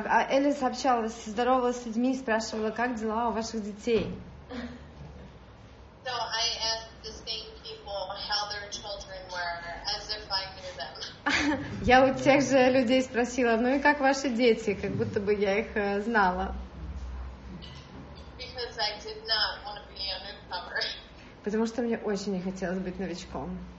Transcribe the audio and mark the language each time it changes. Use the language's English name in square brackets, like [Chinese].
[Russian] Элис общалась, здоровалась с людьми, спрашивала, как дела у ваших детей. [English] So I asked the same people how their children were, as if I knew them. [Russian] Я у тех же людей спросила, ну и как ваши дети, как будто бы я их знала. [English] Because I did not want to be a newcomer. [Russian] Потому что мне очень не хотелось быть новичком.